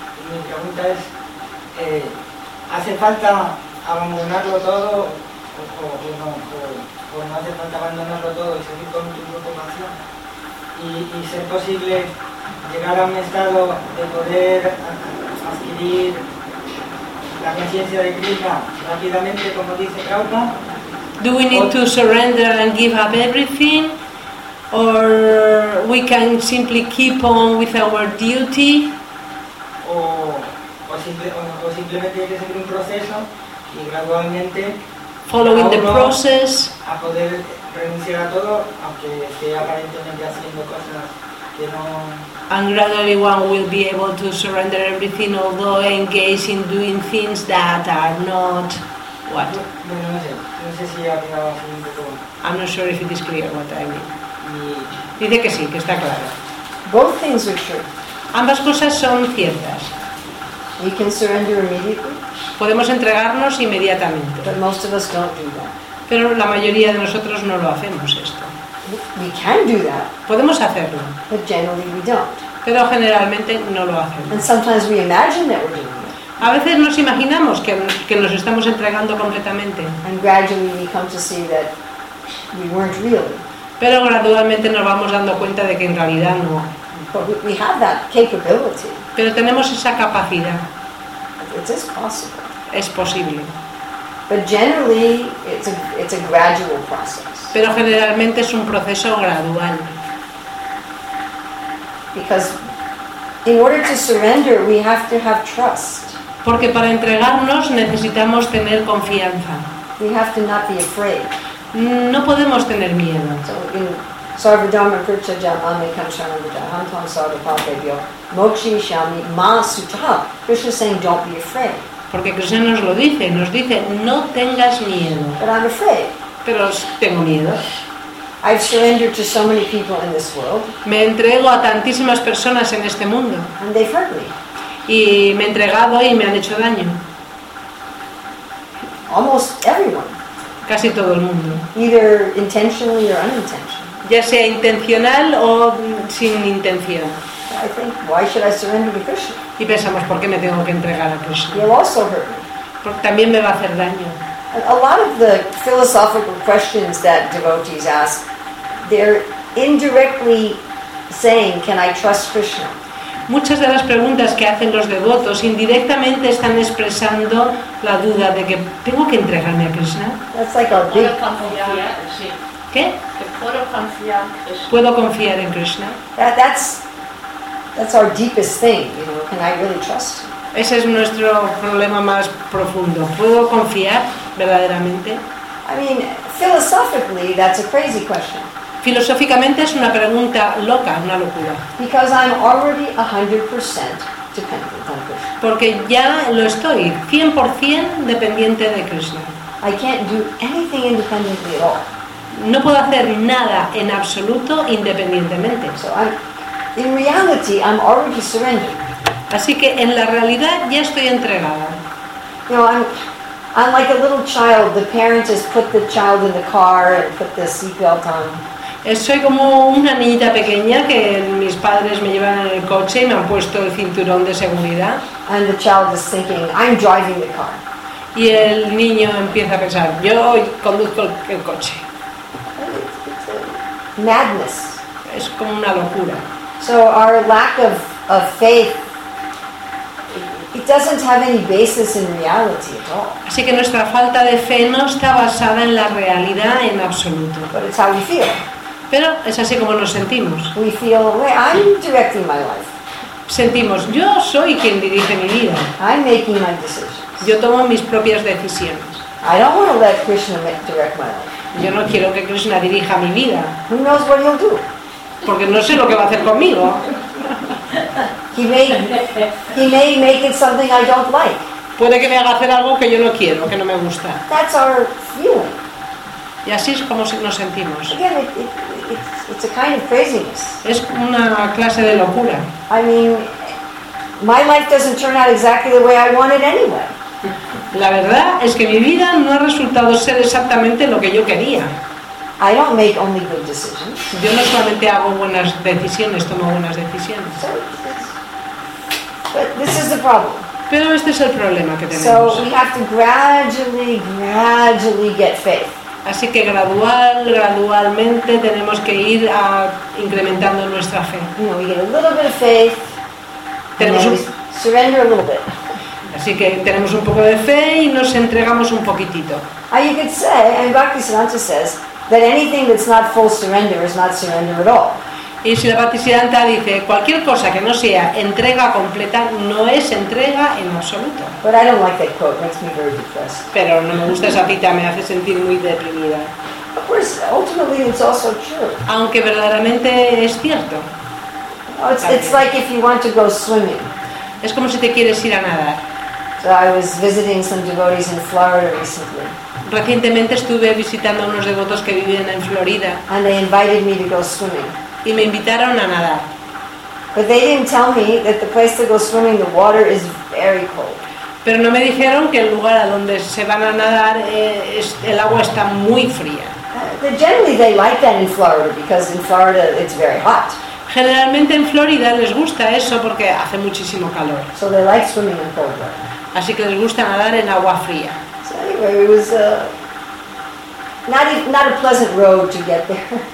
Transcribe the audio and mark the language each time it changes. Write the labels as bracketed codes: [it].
[es] Y mi pregunta es, ¿hace falta abandonarlo todo o no hace falta abandonarlo todo y seguir con tu preocupación y ser posible llegar a un estado de poder adquirir la conciencia de Krishna rápidamente como dice Prabhupada? [en] Do we need to surrender and give up everything, or we can simply keep on with our duty, [es] o simplemente hay que seguir un proceso y gradualmente [en] following the process [es] a poder renunciar a todo aunque esté aparentemente haciendo cosas que no, [en] and gradually one will be able to surrender everything although engaged in doing things that are not what? [es] No sé si ha quedado así un poco. [en] I'm not sure if it is clear what I mean. [es] Dice que sí, que está claro. [en] Both things are true. [es] Ambas cosas son ciertas. [en] We can surrender immediately. [es] Podemos entregarnos inmediatamente. [en] But most of us don't do that. [es] Pero la mayoría de nosotros no lo hacemos esto. [en] We can do that. [es] Podemos hacerlo. [en] But generally we don't. [es] Pero generalmente no lo hacemos. [en] And sometimes we imagine that we're doing it. [es] A veces nos imaginamos que nos estamos entregando completamente. [en] And gradually we come to see that we weren't really. [es] Pero gradualmente nos vamos dando cuenta de que en realidad no. [en] But we have that capability. [es] Pero tenemos esa capacidad. [en] It is possible. [es] Es posible. [en] But generally, it's a gradual process. [es] Pero generalmente es un proceso gradual. [en] Because in order to surrender, we have to have trust. [es] Porque para entregarnos necesitamos tener confianza. [en] We have to not be afraid. [es] No podemos tener miedo. [sa] So, Sarvadharma Kritcha Jamame Kamsharavita Hantam Sarvapapevyo Mokshi Shami Ma Sutta. [en] Krishna is saying, don't be afraid. [es] Porque Krishna nos lo dice, no tengas miedo. [en] But I'm afraid. [es] Pero tengo miedo. [en] I've surrendered to so many people in this world. [es] Me entrego a tantísimas personas en este mundo. [en] And they've hurt me. [es] y me he entregado y me han hecho daño. [en] Almost everyone. [es] Casi todo el mundo. [en] Either intentionally or unintentionally. [es] Ya sea intencional o sin intención. [en] I think, why should I surrender to Krishna? [es] Y pensamos, ¿por qué me tengo que entregar a Krishna? [en] You'll also hurt me. [es] Porque también me va a hacer daño. [en] A lot of the philosophical questions that devotees ask, they're indirectly saying, can I trust Krishna? [es] Muchas de las preguntas que hacen los devotos indirectamente están expresando la duda de que tengo que entregarme a Krishna. [en] That's like a big... [es] ¿Puedo confiar? Sí. ¿Qué? ¿Puedo confiar en Krishna? ¿Puedo confiar en Krishna? [en] That's our deepest thing, you know, can I really trust him? [es] Ese es nuestro problema más profundo. ¿Puedo confiar verdaderamente? [en] I mean, philosophically, that's a crazy question. [es] Filosóficamente es una pregunta loca, una locura. [en] Because I'm already 100% dependent on Krishna. [es] Porque ya lo estoy, 100% dependiente de Krishna. [en] I can't do anything independently at all. [es] No puedo hacer nada en absoluto independientemente. [en] So in reality, I'm already surrendered. [es] Así que en la realidad ya estoy entregada. [en] You know, I'm like a little child. The parent has put the child in the car and put the seatbelt on. [es] Soy como una niñita pequeña que mis padres me llevan en el coche y me han puesto el cinturón de seguridad. [en] And the child is thinking, I'm driving the car. [es] Y el niño empieza a pensar, yo conduzco el coche. [en] It's a madness. [es] Es como una locura. [en] So our lack of faith, it doesn't have any basis in reality at all. [es] Así que nuestra falta de fe no está basada en la realidad en absoluto. [en] But it's how we feel. [es] Pero es así como nos sentimos. [en] We feel, well, I'm directing my life. [es] Sentimos, yo soy quien dirige mi vida. [en] I'm making my decisions. [es] Yo tomo mis propias decisiones. [en] I don't want to let Krishna direct my life. [es] Yo no quiero que Krishna dirija mi vida. [en] Who knows what he'll do? [es] Porque no sé lo que va a hacer conmigo. [en] He may make it something I don't like. [es] Puede que me haga hacer algo que yo no quiero, que no me gusta. [en] That's our feeling. [es] Y así es como nos sentimos. [en] Again, it's a kind of craziness. [es] Es una clase de locura. [en] I mean, my life doesn't turn out exactly the way I want it anyway. [es] La verdad es que mi vida no ha resultado ser exactamente lo que yo quería. [en] I don't make only good decisions. [es] Yo no solamente hago buenas decisiones, tomo buenas decisiones. [en] So, but this is the problem. [es] Pero este es el problema que tenemos. [en] So we have to gradually get faith. [es] Así que gradualmente tenemos que ir a incrementando nuestra fe. [en] You know, we get a little bit of faith. [es] Tenemos [en] and then we surrender a little bit. [es] Así que tenemos un poco de fe y nos entregamos un poquitito. [en] And you could say, and Bhaktisiddhanta says, that anything that's not full surrender is not surrender at all. [es] Y Srila Bhaktisiddhanta dice, cualquier cosa que no sea entrega completa no es entrega en absoluto. [en] But I don't like that quote. It makes me very depressed. [es] Pero no me gusta esa cita, me hace sentir muy deprimida. [en] Of course, ultimately it's also true. [es] Aunque verdaderamente es cierto. [en] Oh, it's like if you want to go swimming. [es] Es como si te quieres ir a nadar. [en] So I was visiting some devotees in Florida recently. [es] Recientemente estuve visitando a unos devotos que viven en Florida. [en] And they invited me to go swimming. [es] Y me invitaron a nadar. [en] But they didn't tell me that the place to go swimming, the water is very cold. [es] Pero no me dijeron que el lugar a donde se van a nadar el agua está muy fría. [en] Generally they like that in Florida because in Florida it's very hot. [es] Generalmente en Florida les gusta eso porque hace muchísimo calor. [en] So they like swimming in cold water. [es] Así que les gusta nadar en agua fría. [en] So anyway, it was not a pleasant road to get there.